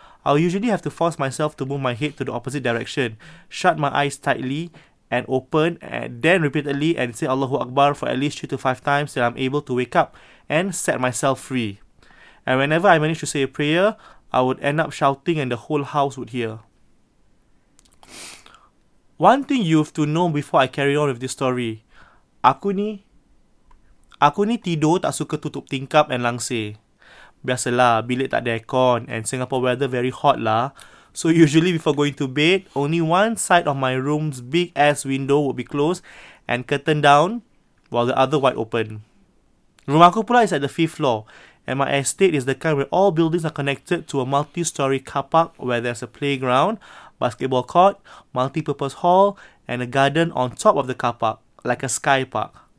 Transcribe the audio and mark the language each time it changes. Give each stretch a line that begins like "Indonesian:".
English: I'll usually have to force myself to move my head to the opposite direction, shut my eyes tightly, and open, and then repeatedly, and say Allahu Akbar for at least 3 to 5 times till I'm able to wake up and set myself free. And whenever I managed to say a prayer, I would end up shouting and the whole house would hear. One thing you have to know before I carry on with this story.
Malay: Aku ni tidur tak suka tutup tingkap and langsir. Biasalah, bilik tak ada aircon and
English: Singapore weather very hot
Malay: lah.
English: So usually before going to bed, only one side of my room's big ass window would be closed and curtain down while the other wide open.
Malay: Rumah aku pula
English: is at the 5th floor and my estate is the kind where all buildings are connected to a multi-story car park where there's a playground, basketball court, multi-purpose hall and a garden on top of the car park, like a sky park.